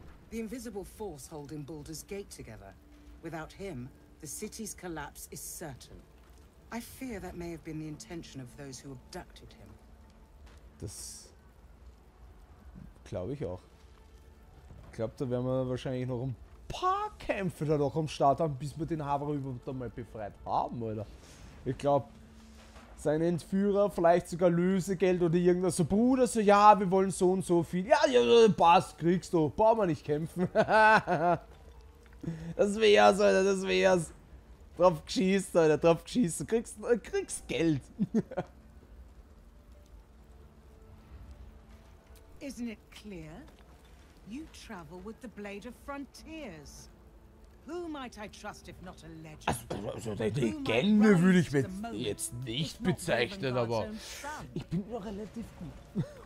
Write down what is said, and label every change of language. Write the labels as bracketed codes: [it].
[en] The invisible force holding Baldur's Gate together. Without him, the city's collapse is certain. I fear that may have been the intention of those who abducted him. [de] Das glaube ich auch. Ich glaube, da werden wir wahrscheinlich noch ein paar Kämpfe da noch am Start haben, bis wir den Haverer überhaupt einmal befreit haben, Alter. Ich glaube, sein Entführer, vielleicht sogar Lösegeld oder irgendwas. So, Bruder, so, ja, wir wollen so und so viel. Ja, ja, passt, kriegst du. Brauchen wir nicht kämpfen. Das wär's, Alter, das wär's. Drauf geschießt, Alter, drauf geschießt. Du kriegst Geld. [en] Isn't it clear? You travel with the Blade of Frontiers. Who might I trust if not a legend? [de] Also die Legende würde ich mir jetzt nicht bezeichnen, aber ich bin noch relativ gut.